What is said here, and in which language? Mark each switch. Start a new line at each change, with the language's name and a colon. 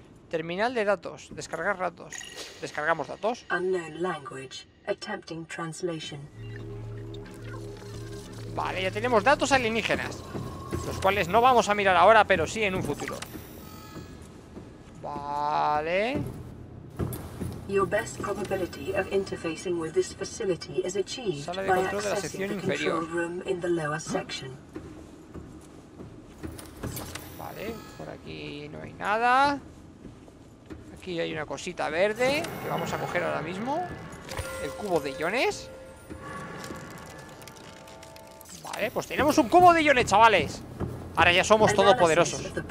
Spanish: Terminal de datos. Descargar datos. Descargamos datos.
English: Unknown language. Attempting translation.
Spanish: Vale, ya tenemos datos alienígenas. Los cuales no vamos a mirar ahora, pero sí en un futuro. Vale.
English: Your best probability of interfacing with this facility is achieved by accessing the control room in the lower section.
Spanish: Vale, por aquí no hay nada. Aquí hay una cosita verde que vamos a coger ahora mismo. El cubo de iones. Vale, pues tenemos un cubo de iones, chavales. Ahora ya somos todopoderosos.